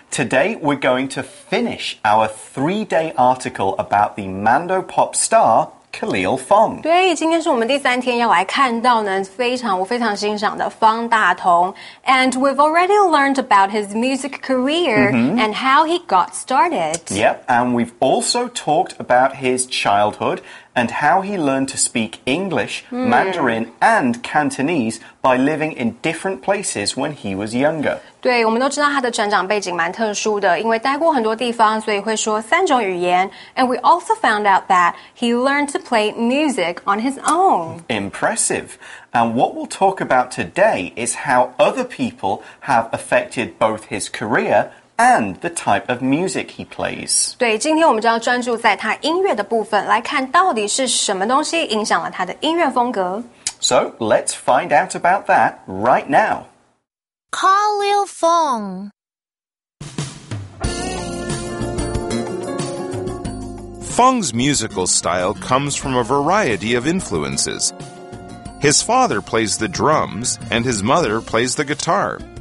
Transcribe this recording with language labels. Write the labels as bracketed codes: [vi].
[en] Today, we're going to finish our 3-day article about the Mandopop star, Khalil Fong. [zh] 对，今天是我们第三天要来看到呢，我非常欣赏的方大同。 [en] And we've already learned about his music career、mm-hmm. and how he got started. Yep, and we've also talked about his childhood and how he learned to speak English,、mm. Mandarin, and Cantonese by living in different places when he was younger. [zh] 对，我们都知道他的成长背景蛮特殊的，因为待过很多地方，所以会说三种语言。 [en] And we also found out that he learned to play music on his own. Impressive. And what we'll talk about today is how other people have affected both his career... and the type of music he plays. [zh] 对，今天我们就要专注在他音乐的部分，来看到底是什么东西影响了他的音乐风格。 [en] So, let's find out about that right now. Khalil Fong. Fong's musical style comes from a variety of influences. His father plays the drums, and his mother plays the guitar.